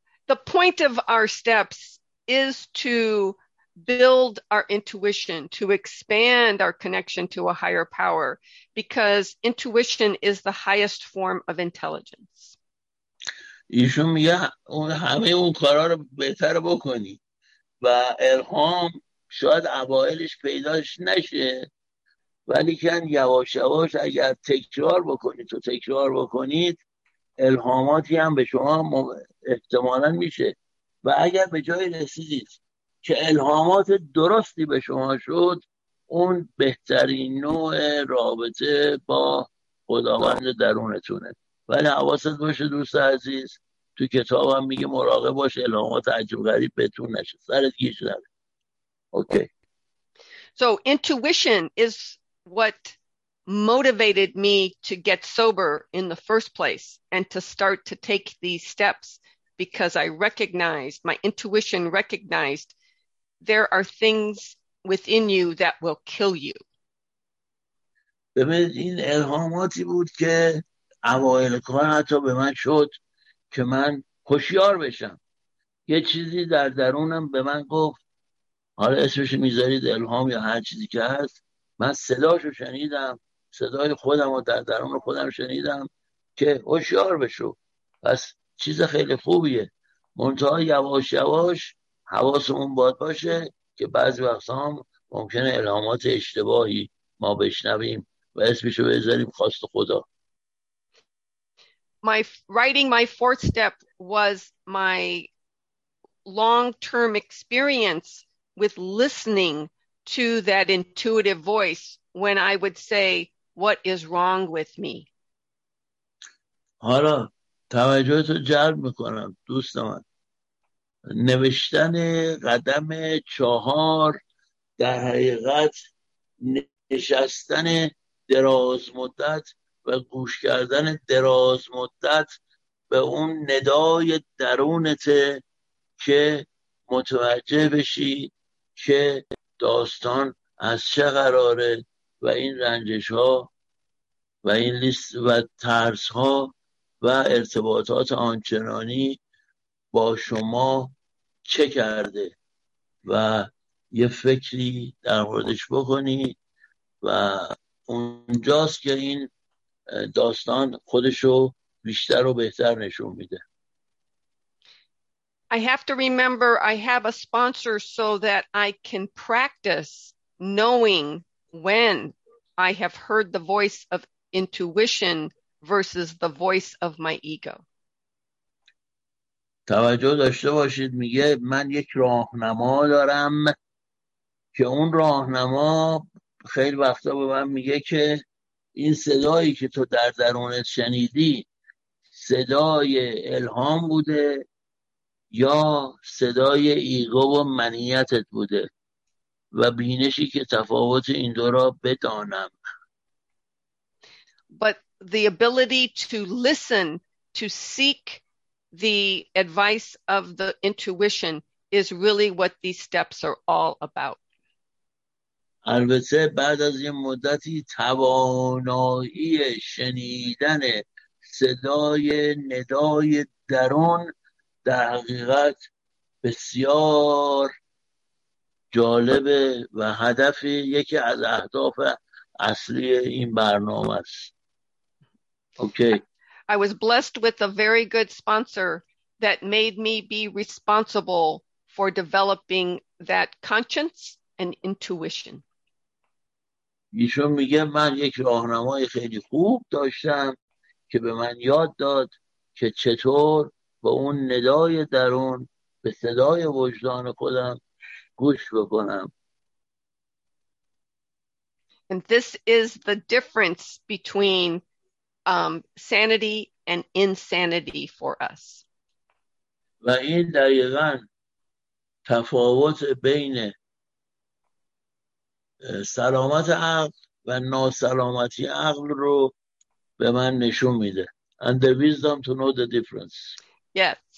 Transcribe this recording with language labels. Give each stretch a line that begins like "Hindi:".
English: The point of our steps is to build our intuition, to expand our connection to a higher power, because intuition is the highest form of intelligence.
Persian: ایشون میگه همه اون کارا رو بهتر بکنی و الهام شاید اوائلش پیداش نشه ولی کن یواش یواش اگر تکرار بکنید تو تکرار بکنید الهاماتی هم به شما احتمالا میشه و اگر به جای رسیدید که الهامات درستی به شما شد اون بهترین نوع رابطه با خداوند درونتونه. ولی حواست باشه دوست عزیز، تو کتاب هم میگه مراقب باش الهامات عجب غریب بهتون نشه، سرت گیج نره. اوکی.
English: So intuition is what motivated me to get sober in the first place and to start to take these steps, because I recognized, my intuition recognized, there are things within you that will kill you.
Persian: ببین این الهاماتی بود که اوائل کار حتی به من شد که من هوشیار بشم. یه چیزی در درونم به من گفت، حالا اسمش میذارید الهام یا هر چیزی که هست، من صداشو شنیدم، صدای خودم رو در درون خودم شنیدم که هوشیار بشو. پس چیز خیلی خوبیه، منتها یواش یواش حواسمون باید باشه که بعضی وقتا هم ممکنه الهامات اشتباهی ما بشنویم و اسمشو بذاریم خواست خدا.
English: My fourth step was my long-term experience with listening to that intuitive voice when I would say, what is wrong with me?
Persian: حالا توجهت رو جلب میکنم دوست من. نوشتن قدم چهار در حقیقت نشستن دراز مدت و گوش کردن دراز مدت به اون ندای درونته که متوجه بشی که داستان از چه قراره و این رنجش ها و این لیست و ترس ها و ارتباطات آنچنانی با شما چه کرده و یه فکری در موردش بکنی و اونجاست که این داستان خودشو بیشتر و بهتر نشون میده.
English: I have to remember I have a sponsor so that I can practice knowing when I have heard the voice of intuition versus the voice of my ego.
Persian: توجه داشته باشید، میگه من یک راهنما دارم که اون راهنما خیلی وقتا به من میگه که این صدایی که تو در درونت شنیدی صدای الهام بوده یا صدای ایگو و منیتت بوده و بینشی که تفاوت این دو را بدانم.
English: But the ability to listen, to seek the advice of the intuition is really what these steps are all about.
Persian: البته بعد از یه مدتی توانایی شنیدن صدای ندای درون در حقیقت بسیار جالبه و هدف یکی از اهداف اصلی این برنامه است. اوکی.
English: I was blessed with a very good sponsor that made me be responsible for developing that conscience and intuition.
Persian: ایشون میگه من یک راهنمای خیلی خوب داشتم که به من یاد داد که چطور با اون ندای درون به صدای وجدان خودم گوش بکنم.
English: And this is the difference between sanity and insanity for us.
Persian: و این دقیقا تفاوت بین سلامت عقل و ناسلامتی عقل رو به من نشون میده.
English: And the wisdom to know the difference. Yes.